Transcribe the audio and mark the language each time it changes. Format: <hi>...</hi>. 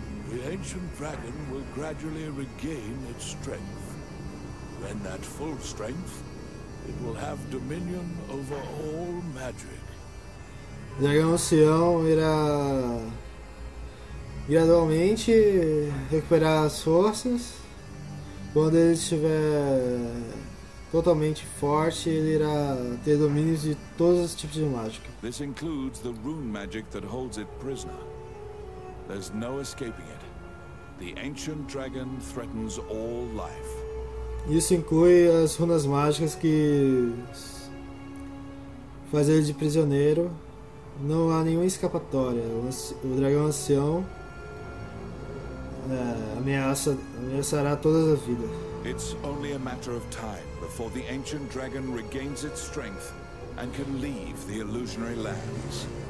<en>The ancient dragon will gradually regain its strength. When that full strength, it will have dominion over all magic.</en> <pt>O dragão ancião irá gradualmente recuperar as forças. Quando ele estiver totalmente forte, ele irá ter domínio de todos os tipos de mágica.</pt> <en>This includes the rune magic that holds it prisoner. There's no escaping it. The ancient dragon threatens all life.</en> <pt>Isso inclui as runas mágicas que faz ele de prisioneiro. Não há nenhuma escapatória. O dragão ancião ameaçará todas as vidas.</pt> <en>It's only a matter of time before the ancient dragon regains its strength and can leave the illusionary lands.</en>